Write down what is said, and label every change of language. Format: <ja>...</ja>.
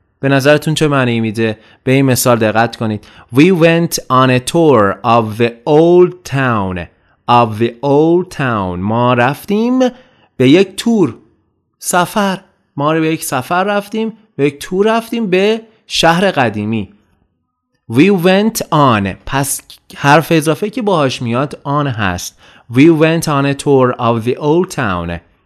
<fa>به نظرتون چه معنی میده؟ به این مثال دقت کنید.</fa> <en>We went on a tour of the old town.</en> <fa>ما رفتیم به یک تور. سفر. ما رو به یک سفر رفتیم. به یک تور رفتیم به شهر قدیمی.</fa> <en>We went on.</en> <fa>پس حرف اضافه که باهاش میاد on هست.</fa> <en>We went on a tour of the old town.</en>